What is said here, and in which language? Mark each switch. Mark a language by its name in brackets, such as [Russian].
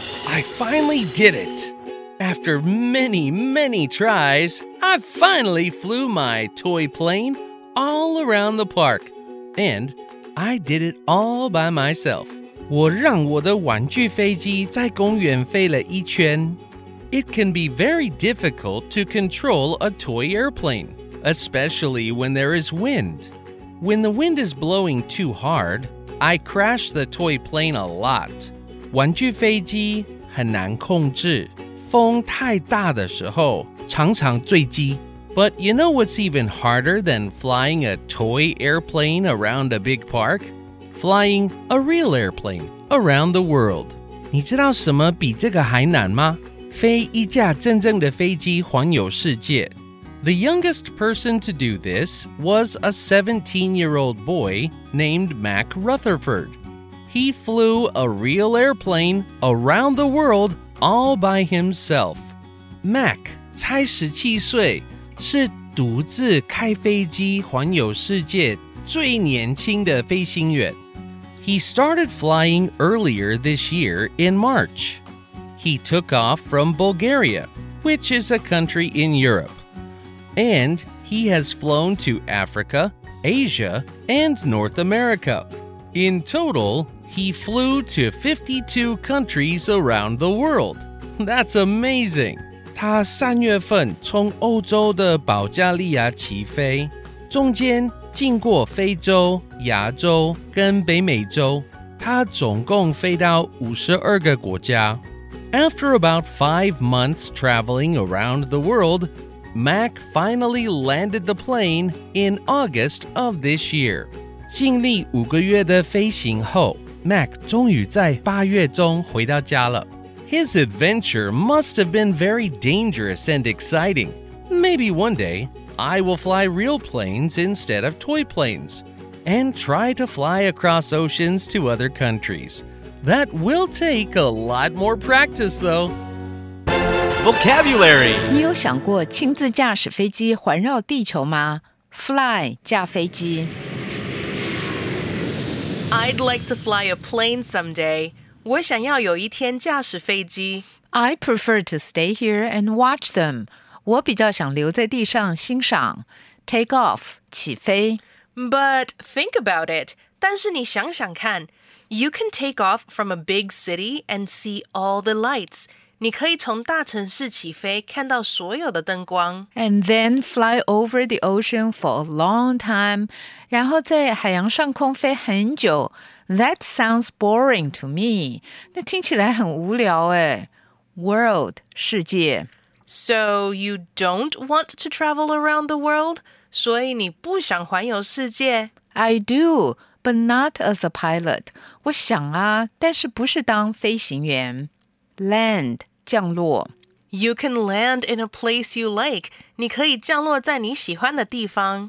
[English] I finally did it. After many, many tries, I finally flew my toy plane all around the park. And I did it all by myself. [Chinese] 我让我的玩具飞机在公园飞了一圈。 [English] It can be very difficult to control a toy airplane, especially when there is wind. When the wind is blowing too hard, I crash the toy plane a lot. [Chinese] 玩具飞机很难控制，风太大的时候常常坠机。 [English] But you know what's even harder than flying a toy airplane around a big park? Flying a real airplane around the world. [Chinese] 你知道什么比这个还难吗？飞一架真正的飞机环游世界。 [English] The youngest person to do this was a 17-year-old boy named Mac Rutherford. He flew a real airplane around the world all by himself. [Chinese] Mac 才17岁，是独自开飞机环游世界最年轻的飞行员。 [English] He started flying earlier this year in March. He took off from Bulgaria, which is a country in Europe. And he has flown to Africa, Asia, and North America. In total,He flew to 52 countries around the world. That's amazing! [Chinese] 他三月份从欧洲的保加利亚起飞，中间经过非洲、亚洲跟北美洲，他总共飞到52个国家。 [English] After about 5 months traveling around the world, Mac finally landed the plane in August of this year. [Chinese] 经历五个月的飞行后，Mac 终于在八月中回到家了。 [English] His adventure must have been very dangerous and exciting. Maybe one day, I will fly real planes instead of toy planes and try to fly across oceans to other countries. That will take a lot more practice, though. Vocabulary. [Chinese] 你有想过亲自驾驶飞机环绕地球吗？ Fly, 驾飞机。 [English] I'd like to fly a plane someday. [Chinese] 我想要有一天驾驶飞机。 [English] I prefer to stay here and watch them. [Chinese] 我比较想留在地上欣赏。 Take off, 起飞。 [English] But think about it. [Chinese] 但是你想想看。 [English] You can take off from a big city and see all the lights. [Chinese] 你可以从大城市起飞看到所有的灯光。 [English] And then fly over the ocean for a long time. [Chinese] 然后在海洋上空飞很久。 [English] That sounds boring to me. [Chinese] 那听起来很无聊耶。 World, 世界。 [English] So you don't want to travel around the world? [Chinese] 所以你不想环游世界。 [English] I do, but not as a pilot. [Chinese] 我想啊，但是不是当飞行员。 Land, 降落。 [English] You can land in a place you like. [Chinese] 你可以降落在你喜欢的地方。